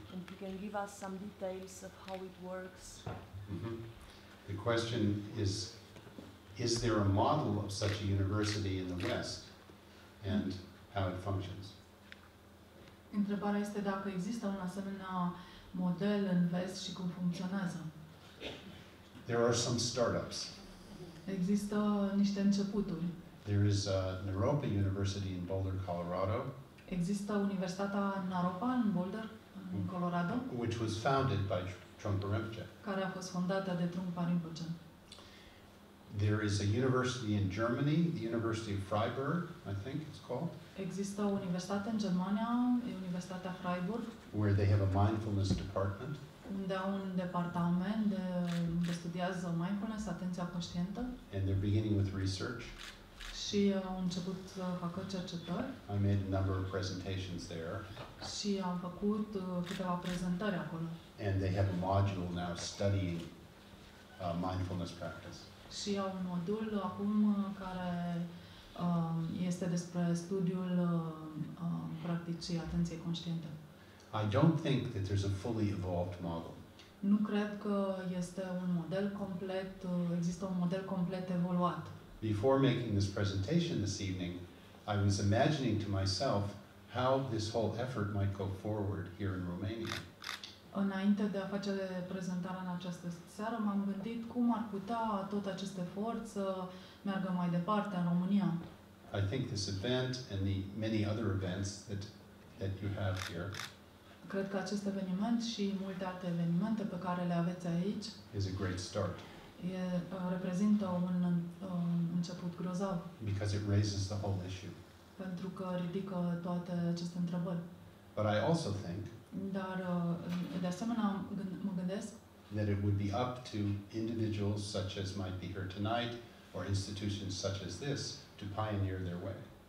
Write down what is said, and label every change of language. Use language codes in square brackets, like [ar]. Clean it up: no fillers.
[en] And if you can give us some details of how it works. Mm-hmm. The question is there a model of such a university in the West and how it functions? [ro] Întrebarea este dacă există un asemenea model în vest și cum funcționează. [en] There are some startups. [ro] Există niște începuturi. [en] There is a Naropa University in Boulder, Colorado. [ro] Există Universitatea Naropa în Boulder, în Colorado. [en] Which was founded by Trungpa Rinpoche. [ro] Care a fost fondată de Trungpa Rinpoche. [en] There is a university in Germany, the University of Freiburg, I think it's called. [ro] Există o universitate în Germania, Universitatea Freiburg, [en] where they have a mindfulness department. [ro] Unde au un departament de unde studiază mindfulness, atenția conștientă. [en] And they're beginning with research. [ro] Și au început să facă cercetări. [en] I made a number of presentations there. [ro] Și am făcut câteva prezentări acolo. [en] And they have a module now studying mindfulness practice. [ro] Și au un modul acum care este despre studiul practicii atenției conștiente. [en] I don't think that there's a fully evolved model. [ro] Nu cred că este un model complet, există un model complet evoluat. [en] Before making this presentation this evening, I was imagining to myself how this whole effort might go forward here in Romania. [ro] Înainte de a face prezentarea în această seară, m-am gândit cum ar putea tot acest efort să meargă mai departe în România. [en] I think this event and the many other events that you have here. [ro] Cred că acest eveniment și multe alte evenimente pe care le aveți aici [en] is a great start. [ro] Reprezintă un început grozav. [en] Because it raises the whole issue. [ro] Pentru că ridică toate aceste întrebări. [en] But I also think [ro] dar de asemenea mă gândesc [en] that it would be up to individuals such as might be here tonight or institutions such as this to pioneer their way.